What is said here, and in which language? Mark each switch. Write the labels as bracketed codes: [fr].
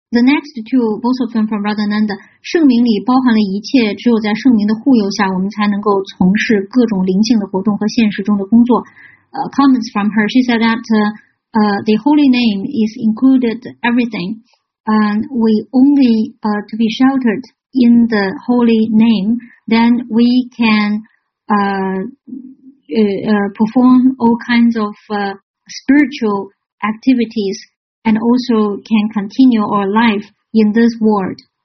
[en] The next two, both of them from Radha Ananda. [zh] 圣名里包含了一切，只有在圣名的护佑下，我们才能够从事各种灵性的活动和现实中的工作。 [en] Comments from her. She said that the holy name is included everything. And we only to be sheltered. In the holy name, then we can perform all kinds of spiritual activities and also can continue our life in this world.